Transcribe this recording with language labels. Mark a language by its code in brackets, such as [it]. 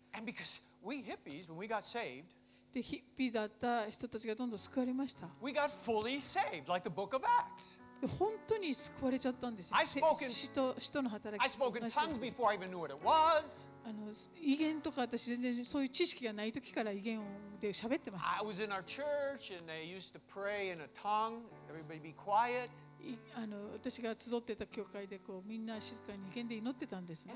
[en] And because we hippies, when we got saved, [ja] でヒッピーだった人たちがどんどん救われました。 [en] We got fully saved, like the Book of Acts. [ja] 本当に救われちゃったんですよ。使徒の働きです。 [en] I spoke in tongues before I even knew what it was. [ja] 異言とか私全然そういう知識がない時から異言で喋ってました。 [en] I was in our church and they used to pray in a tongue. Everybody be quiet. [ja] 私が集ってた教会でこうみんな静かに異言で祈ってたんですね。